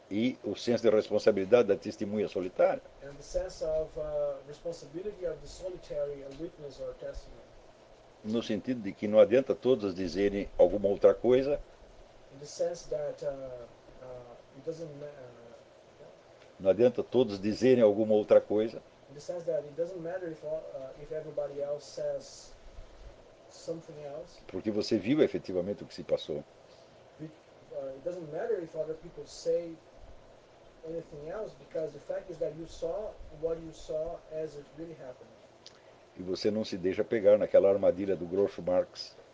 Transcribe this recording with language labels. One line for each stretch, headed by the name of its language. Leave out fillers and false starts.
Portuguese: E o senso de responsabilidade da testemunha solitária.
English: And the sense of responsibility of the solitary witness or testimony.
Portuguese: No sentido de que não adianta todos dizerem alguma outra coisa.
English: In the sense that it doesn't
Portuguese: Não adianta todos dizerem alguma outra coisa.
English: In the sense that it doesn't matter if if everybody else says something else.
Portuguese: Porque você viu efetivamente o que se passou.
English: It doesn't matter if other people say anything else, because the fact is that you saw what you saw as it really happened.
Portuguese: E você não se deixa pegar naquela armadilha do Groucho Marx.